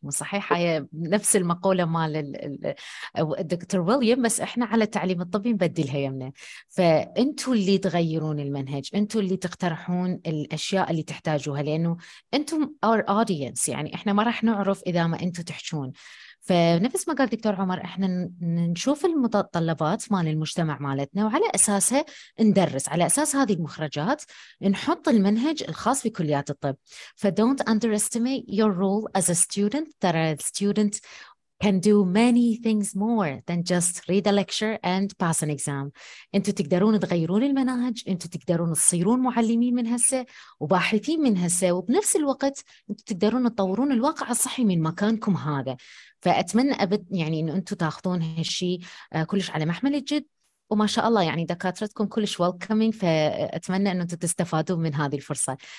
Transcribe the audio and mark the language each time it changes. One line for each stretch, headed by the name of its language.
Arabic: مو صحيح هي نفس المقوله مال الدكتور ويليام، بس احنا على التعليم الطبي نبدلها يمنا، فانتوا اللي تغيرون المنهج، انتوا اللي تقترحون الاشياء اللي تحتاجوها، لانه انتم
English: our audience،
Arabic: يعني احنا ما راح نعرف اذا ما انتوا تحجون. فنفس ما قال دكتور عمر، احنا نشوف المتطلبات مال المجتمع مالتنا وعلى اساسها ندرس، على اساس هذه المخرجات نحط المنهج الخاص بكليات الطب.
English: ف don't underestimate your role as a student. That a student can do many things more than just read a lecture and pass an exam.
Arabic: انتوا تقدرون تغيرون المناهج، انتوا تقدرون تصيرون معلمين من هسه وباحثين من هسه، وبنفس الوقت انتوا تقدرون تطورون الواقع الصحي من مكانكم هذا. فأتمنى أبد يعني أن أنتم تأخذون هالشي كلش على محمل الجد، وما شاء الله يعني دكاترتكم كلش welcoming، فأتمنى أن أنتم تستفادوا من هذه الفرصة.